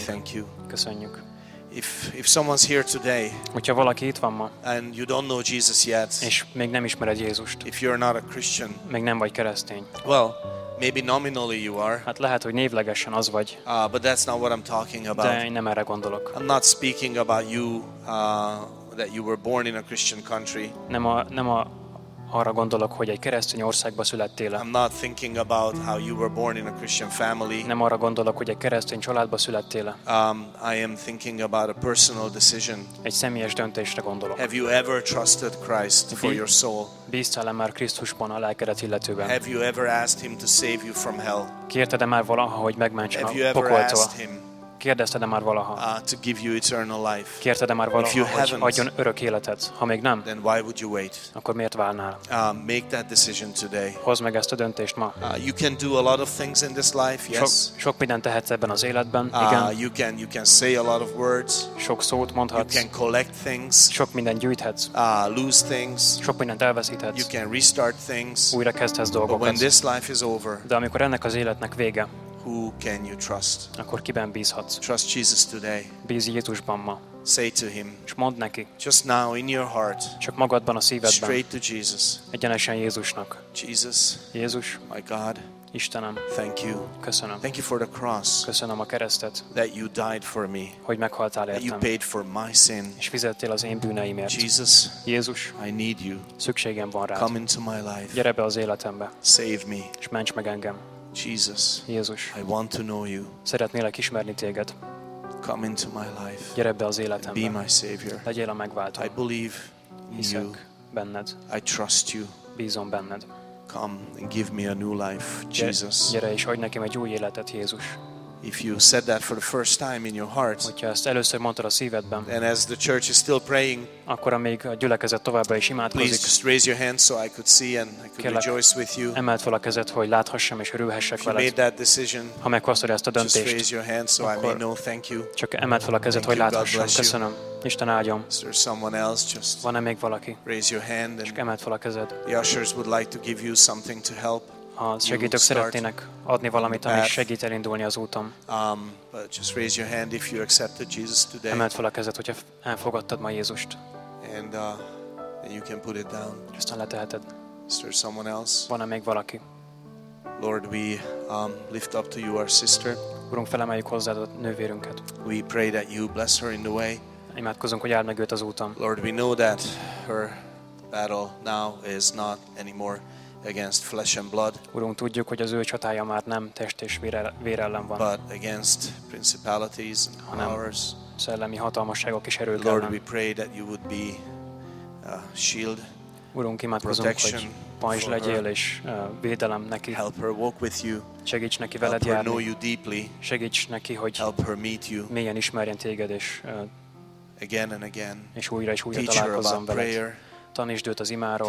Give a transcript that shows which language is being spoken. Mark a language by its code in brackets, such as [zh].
[en] We thank you. [hu] Köszönjük. [en] If someone's here today, [hu] hogyha valaki itt van ma, [en] and you don't know Jesus yet, [hu] és még nem ismered Jézust, [en] if you're not a Christian, [hu] még nem vagy keresztény, [en] well, maybe nominally you are, [hu] hát lehet, hogy névlegesen az vagy, [en] but that's not what I'm talking about. [hu] De én nem erre gondolok. [en] I'm not speaking about you, that you were born in a Christian country. [hu] Nem arra gondolok, hogy egy keresztény országba születtél. [en] I'm not thinking about how you were born in a Christian family. [hu] Nem arra gondolok, hogy egy keresztény családba születtél. [en] I am thinking about a personal decision. [hu] Egy személyes döntésre gondolok. [en] Have you ever trusted Christ for your soul? [hu] Bíztál-e már Krisztusban a lelkedet illetően? [en] Have you ever asked him to save you from hell? [hu] Kérted-e már valaha, hogy megmentsen a pokoltól? Kérdezted-e már valaha? [en] To give you eternal life. [hu] Kérted-e már valaha, hogy adjon örök életet? Ha még nem, [en] then why would you wait? [hu] Akkor miért válnál? [en] Make that decision today. [hu] Hozd meg ezt a döntést ma. [en] You can do a lot of things in this life. Yes. [hu] Sok mindent tehetsz ebben az életben. Igen. [en] You can say a lot of words. [hu] Sok szót mondhatsz. [en] You can collect things. [hu] Sok mindent gyűjthetsz. [en] Lose things. [hu] Sok mindent elveszíthetsz. [en] You can restart things. [hu] Újrakezdhetsz dolgokat. [en] But when this life is over, [hu] de amikor ennek az életnek vége, [en] who can you trust? [hu] Akkor kiben bízhatsz? [en] Trust Jesus today. [hu] Bíz Jézusban ma. [en] Say to him. [hu] És mondd neki. [en] Just now in your heart. [hu] Csak magadban a szívedben. [en] Straight to Jesus. [hu] Egyenesen Jézusnak. [en] Jesus. [hu] Jézus. [en] My God. [hu] Istenem. [en] Thank you. [hu] Köszönöm. [en] Thank you for the cross. [hu] Köszönöm a keresztet. [en] That you died for me. [hu] Hogy meghaltál értem. [en] That you paid for my sin. [hu] És fizettél az én bűneimért. [en] Jesus. [hu] Jézus. [en] I need you. [hu] Szükségem van rád. [en] Come into my life. [hu] Gyere be az életembe. [en] Save me. [hu] És ments meg engem. [en] Jesus, [hu] Jézus, [en] I want to know you. [hu] Szeretnélek ismerni téged. [en] Come into my life. [hu] Gyere be az életembe. [en] Be my savior. [hu] Legyél a megváltó. [en] I believe in you. [hu] Benned. [en] I trust you. [hu] Bízom benned. [en] Come and give me a new life, Jesus. [hu] Gyere és adj nekem egy új életet, Jézus. [en] If you said that for the first time in your heart, [hu] hogyha ezt először mondtad a szívedben, [en] and as the church is still praying, [hu] akkor amíg a gyülekezet továbbra is imádkozik, [en] please raise your hand so I could see and I could rejoice with you. [hu] Emeld fel a kezed, hogy láthassam és örülhessek veled. [en] If you made that decision, [hu] ha meghoztad ezt a döntést, [en] just raise your hand so I may know. Thank you. [hu] Csak emeld fel a kezed, hogy láthassam. Köszönöm. Isten áldjon. [en] Is there someone else? Just [hu] van-e még valaki? [en] Raise your hand and [hu] csak emeld fel a kezed. [en] The ushers would like to give you something to help. [hu] Ha segítők szeretnének adni valamit, ami segít elindulni az úton. [en] But just raise your hand if you accepted Jesus today. [hu] Emeld fel a kezed, hogyha elfogadtad ma Jézust. [en] And you can put it down. [hu] Aztán leteheted. [en] Is there someone else? [hu] Van-e még valaki? [en] Lord, we lift up to you our sister. [hu] Urunk, felemeljük hozzád a nővérünket. [en] We pray that you bless her in the way. [hu] Imádkozunk, hogy áld meg őt az úton. [en] Lord, we know that her battle now is not anymore against flesh and blood. [hu] Urunk, tudjuk, hogy az ő csatája már nem test és vér ellen van. [en] But against principalities and powers. [hu] Szellemi hatalmasságok és erők ellen. [en] Lord, we pray that you would be a shield. [hu] Urunk, imádkozunk, protection, hogy pajzs legyél és védelem neki. [en] Help her walk with you. [hu] Segíts neki veled [en] help [hu] járni. [en] Her know you deeply. [hu] Segíts neki, hogy [en] help her meet you. [hu] Mélyen ismerjen téged és [en] again and again. [hu] És újra és újra találkozzon veled. Tanítsd őt az imáról.